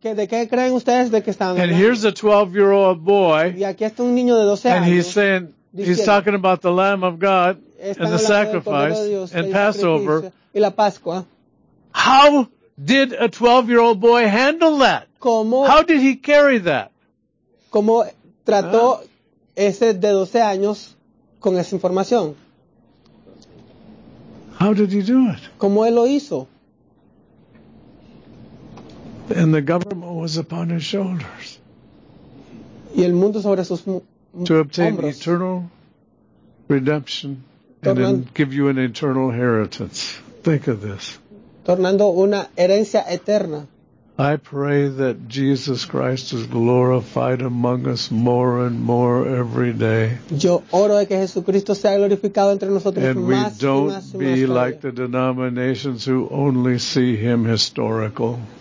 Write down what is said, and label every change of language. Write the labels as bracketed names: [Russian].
[Spanish] ¿De qué creen ustedes de que estaban [English] and [Spanish] hablando? [English] Here's a 12-year-old boy, [Spanish] y aquí está un niño de 12 años, [English] and he's saying, [Spanish] diciendo, [English] he's talking about the Lamb of God and the sacrifice [Spanish] Dios, [English] and Passover. [Spanish] Y la Pascua. [English] How did a 12-year-old boy handle that? [Spanish] ¿Cómo? [English] How did he carry that? [Spanish] ¿Cómo trató ese de 12 años con esa información? [English] How did he do it? [Spanish] ¿Cómo él lo hizo? [English] And the government was upon his shoulders. [Spanish] Y el mundo sobre sus [English] to obtain [Spanish] hombros. [English] Eternal redemption and then give you an eternal inheritance. Think of this. [Spanish] Tornando una herencia eterna. [English] I pray that Jesus Christ is glorified among us more and more every day. [Spanish] Yo oro de que Jesucristo sea glorificado entre nosotros [English] and [Spanish] más [English] we don't [Spanish] y más y más [English] be like the denominations who only see him historical.